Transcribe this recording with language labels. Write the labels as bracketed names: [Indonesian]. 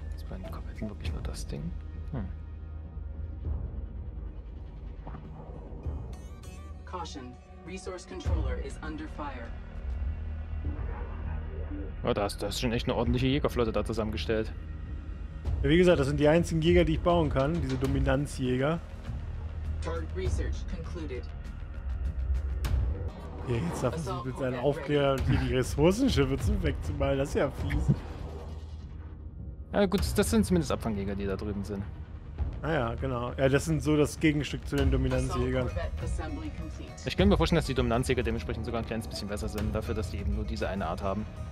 [German] Dann kommt jetzt wirklich nur das Ding. [English] Caution, Resource Controller is under fire. [German] Ja, das ist schon echt eine ordentliche Jägerflotte da zusammengestellt. Ja, wie gesagt, das sind die einzigen Jäger, die ich bauen kann, diese Dominanzjäger. [English] Target research concluded. [German] Ja, jetzt darf ich mit seinen Aufklärern hier die Ressourcenschiffe zum wegzumalen, das ist ja fies. Ja gut, das sind zumindest Abfangjäger, die da drüben sind. Ah ja, genau. Ja, das sind so das Gegenstück zu den Dominanzjägern. Ich könnte mir vorstellen, dass die Dominanzjäger dementsprechend sogar ein kleines bisschen besser sind, dafür, dass die eben nur diese eine Art haben.